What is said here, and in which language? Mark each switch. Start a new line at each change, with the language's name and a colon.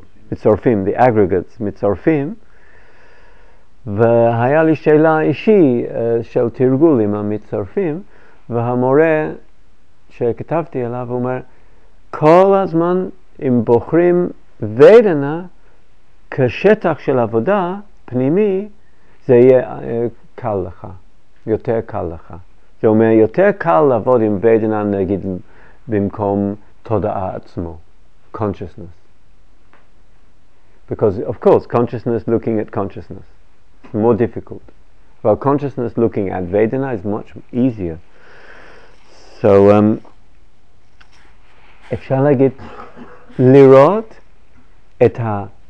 Hebrew: מצטרפים,
English: the aggregates,
Hebrew: מצטרפים, והיה לי שאלה אישי של תרגול עם המצטרפים, והמורה שכתבתי עליו, הוא אומר, כל הזמן אם בוחרים ודנה כשטח של עבודה פנימי, זה יהיה קל לך, יותר קל לך. זה אומר, יותר קל לעבוד עם ודנה, נגיד, במקום תודעה עצמו, consciousness.
English: Because, of course, consciousness looking at consciousness, more difficult. Well, consciousness looking at Vedana is much easier. So,
Hebrew: אפשר להגיד, לראות את ה...